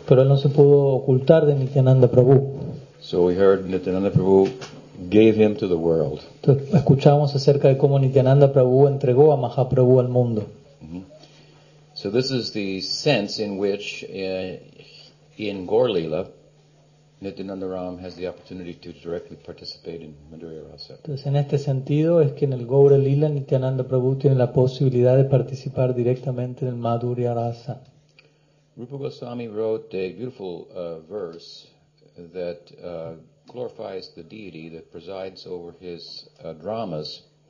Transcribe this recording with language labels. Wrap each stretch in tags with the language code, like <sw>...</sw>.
<es>Pero él no se pudo ocultar de Nityananda Prabhu.</es> <en>So we heard Nityananda Prabhu gave him to the world.</en> <es>Entonces, escuchamos acerca de cómo Nityananda Prabhu entregó a Mahaprabhu al mundo. Mm-hmm.</es> <en>So this is the sense in which in Gaurlila, Nityananda Ram has the opportunity to directly participate in Madhurya Rasa.</en> <es>Entonces, en este sentido es que en el Gaura Lila Nityananda Prabhu tiene la posibilidad de participar directamente en el Madhurya Rasa.</es> <en>Rupa Goswami wrote a beautiful verse that glorifies the deity that presides over his dramas.</en>